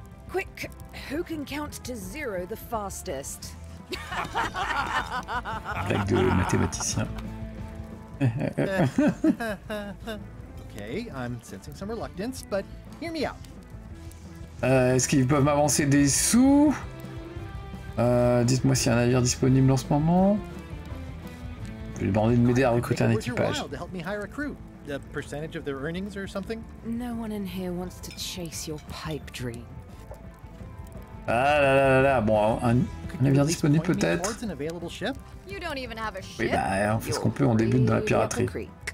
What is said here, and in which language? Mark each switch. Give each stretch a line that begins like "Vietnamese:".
English: Quick, who can count to zero the fastest?
French: Avec de mathématiciens.
English: Okay, I'm sensing some reluctance, but hear me out.
French: Est-ce qu'ils peuvent m'avancer des sous? Dites-moi s'il y a un navire disponible en ce moment. Je vais demander de m'aider à recruter un équipage.
English: The percentage of their earnings or something? No one in here wants to chase your pipe dream.
French: Ah là là là là, bon, un navire disponible peut-être.
English: You don't even have a ship.
French: Oui, bah, on fait ce qu'on peut, on débute dans la piraterie.